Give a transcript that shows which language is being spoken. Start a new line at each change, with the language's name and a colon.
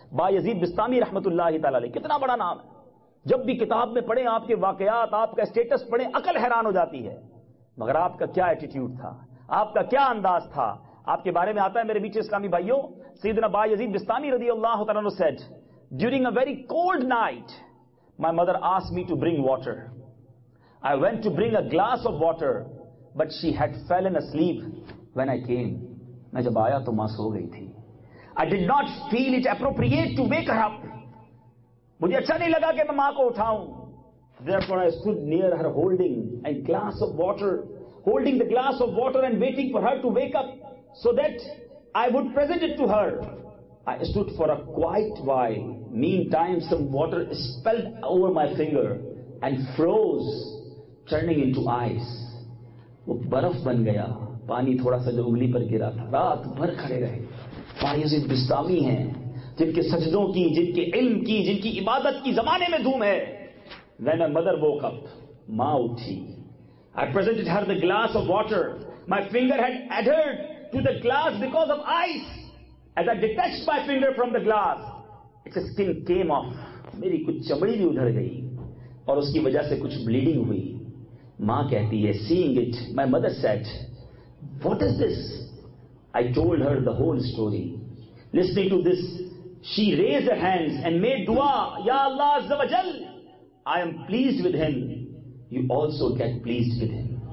Urdu: بایزید بستامی رحمۃ اللہ تعالی علیہ، کتنا بڑا نام ہے، جب بھی کتاب میں پڑھیں آپ کے واقعات، آپ کا اسٹیٹس پڑھیں، عقل حیران ہو جاتی ہے. مگر آپ کا کیا ایٹیٹیوڈ تھا، آپ کا کیا انداز تھا. آپ کے بارے میں آتا ہے میرے میٹھے اسلامی بھائیوں، سیدنا بایزید بستامی رضی اللہ تعالیٰ عنہ
English: Said, during a very cold night My mother asked me to bring water. I went to bring a glass of water, but she had fallen asleep when I came.
Urdu: میں جب آیا تو ماں سو گئی تھی.
English: I did not feel it appropriate to wake her up.
Urdu: مجھے اچھا نہیں لگا کہ میں ماں کو اٹھاؤں.
English: Therefore, I stood near her holding a glass of water, holding the glass of water and waiting for her to wake up so that I would present it to her. I stood for a quiet while. Meantime, some water spilled over my finger and froze, turning into ice.
Urdu: وہ برف بن گیا، پانی تھوڑا سا جو انگلی پر گرا تھا. رات بھر کھڑے رہے. بایزید بستامی ہیں جن کے سجدوں کی، جن کے علم کی، جن کی عبادت کی زمانے میں دھوم ہے.
English: When my mother woke up,
Urdu: ماں اٹھی.
English: I presented her the glass of water. My finger had adhered to the glass because of ice. As I detached my finger from the glass, ایک skin came off,
Urdu: میری کچھ چمڑی بھی ادھر گئی اور اس کی وجہ سے کچھ بلیڈنگ ہوئی. ماں کہتی ہے
English: Seeing it my mother said what is this. I told her the whole story. Listening to this she raise hands and made دعا یا اللہ عز و جل I am pleased with him you also get pleased with him.